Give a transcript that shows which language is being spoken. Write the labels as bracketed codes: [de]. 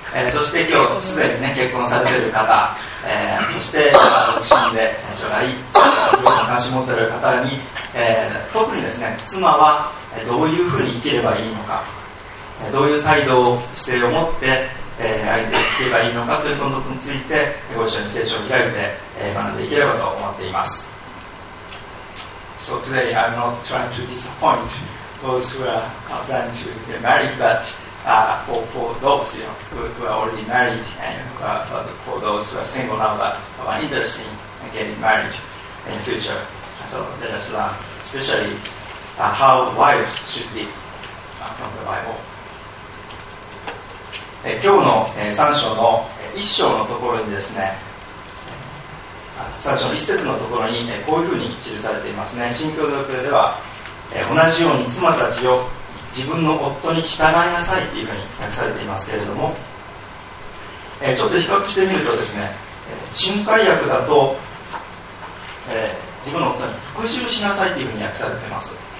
[ja] そして今日すでにね結婚されている方、そして独身で将来すごく関心持っている方に、特にですね、妻はどういうふうに生きればいいのか、どういう態度を姿勢を持って、相手に生きればいいのかというそのことについてご一緒に聖書を開いて、学んでいければと思っています。 [en] So today I'm not trying to disappoint those who are planning to get married, butfor those, you know, who are already married, and for those who are single now but are interested in getting married in the future. So let us learn, especially how wives should live from the Bible. [ja] 今日の3章の1章のところにですね、3章の1節のところにこういうふうに記されていますね。新教条例では同じように妻たちを自分の夫に従いなさいというふうに訳されていますけれども、ちょっと比較してみるとですね、新改訳だと、自分の夫に服従しなさいというふうに訳されています。